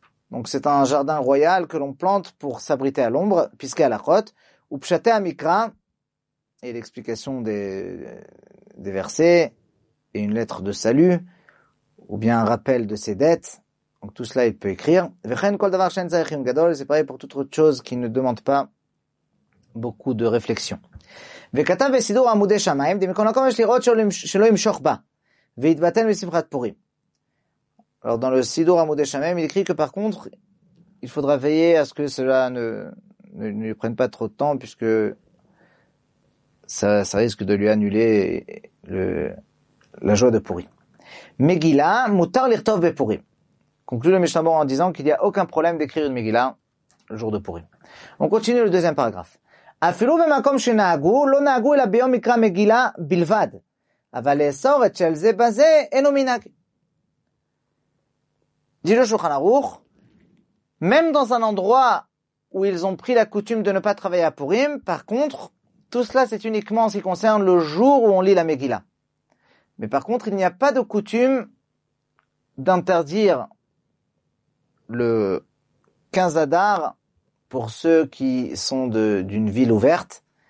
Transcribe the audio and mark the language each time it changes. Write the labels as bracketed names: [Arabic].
[French] Donc c'est un jardin royal que l'on plante pour s'abriter à l'ombre, puisqu'à la côte, ou pshaté à mikra, et l'explication des versets, et une lettre de salut, ou bien un rappel de ses dettes. Donc tout cela, il peut écrire. C'est pareil pour toute autre chose qui ne demande pas beaucoup de réflexion. [Hebrew] וכתב בסידור עמודי שמיים, דמקום מקום יש לראות שלא ימשוך בה, והתבטל בשמחת פורים. [French] Alors dans le סידור עמודי שמיים, il écrit que par contre, il faudra veiller à ce que cela ne prenne pas trop de temps, puisque ça risque de lui annuler la joie de Pourim. [Hebrew] Megillah, מותר לכתוב בפורים. [French] Conclut le Mishnah Berurah en disant qu'il n'y a aucun problème d'écrire une Megillah le jour de Pourim. On continue le deuxième paragraphe. [Hebrew] אפילו במקום שנהגו, לא נהגו אלא ביום מקרא מגילה בלבד. אבל לאסור את של זה בזה, אינו מנהג. [French] דיר שולחן ערוך, même dans un endroit où ils ont pris la coutume de ne pas travailler à Pourim, par contre, tout cela c'est uniquement en ce qui concerne le jour où on lit la Megillah. Mais par contre, il n'y a pas de coutume d'interdire le 15 Adar pour ceux qui sont d'une ville ouverte.